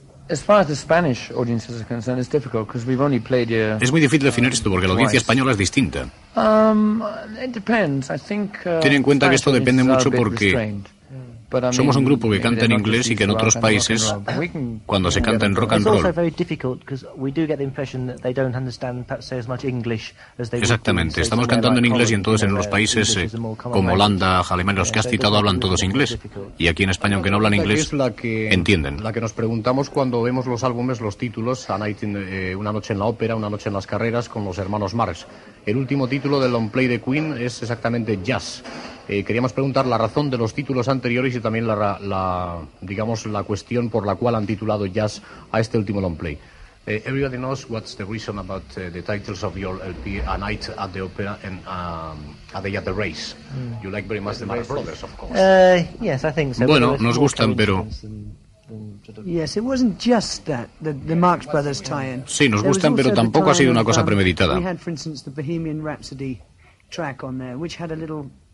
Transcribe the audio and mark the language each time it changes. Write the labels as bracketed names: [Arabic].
[English] As far as the Spanish audience is concerned, it's difficult because we've only played here. [Spanish] Es muy difícil definir esto porque la audiencia española es distinta. [English] It depends. I think. [Spanish] Ten en cuenta que esto depende mucho porque. Somos un grupo que canta en inglés y que en otros países, cuando se canta en rock and roll... Exactamente, estamos cantando en inglés y entonces en los países como Holanda, Alemania, los que has citado, hablan todos inglés. Y aquí en España, aunque no hablan inglés, entienden. La que nos preguntamos cuando vemos los álbumes, los títulos, Una noche en la ópera, Una noche en las carreras, con los hermanos Marx. El último título del long play de Queen es exactamente Jazz. Queríamos preguntar la razón de los títulos anteriores y también la cuestión por la cual han titulado Jazz a este último long play. [English] Everybody knows what's the reason about the titles of your LP, A Night at the Opera and A Day at the Race. You like very much the Marx Brothers, of course. Yes, I think so. [Spanish] Bueno, nos gustan, pero... [English] Yes, it wasn't just that the Marx Brothers tie-in. [Spanish] Sí, nos gustan, pero tampoco ha sido una cosa premeditada. [English] We had, for instance, the Bohemian Rhapsody track on there, which had a little...